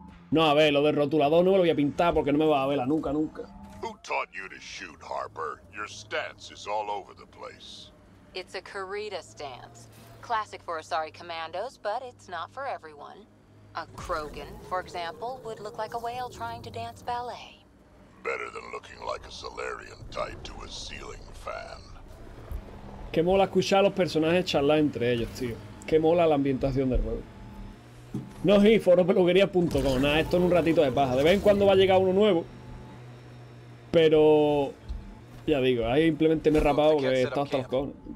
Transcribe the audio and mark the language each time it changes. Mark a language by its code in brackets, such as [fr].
[es] No, a ver, lo del rotulador no me lo voy a pintar porque no me va a verla nunca, nunca. [en] Who taught you to shoot, Harper? Your stance is all over the place. It's a Karita stance. Classic for Asari Commandos, but it's not for everyone. A Krogan, for example, would look like a whale trying to dance ballet. Better than looking like a Solarian tied to a ceiling fan. [es] Qué mola escuchar a los personajes charlar entre ellos, tío. Qué mola la ambientación del juego. No, sí, foropeluquería.com. Nada, esto en un ratito de paja. De vez en cuando va a llegar uno nuevo. Pero, ya digo, ahí simplemente me he rapado porque he estado hasta los cojones.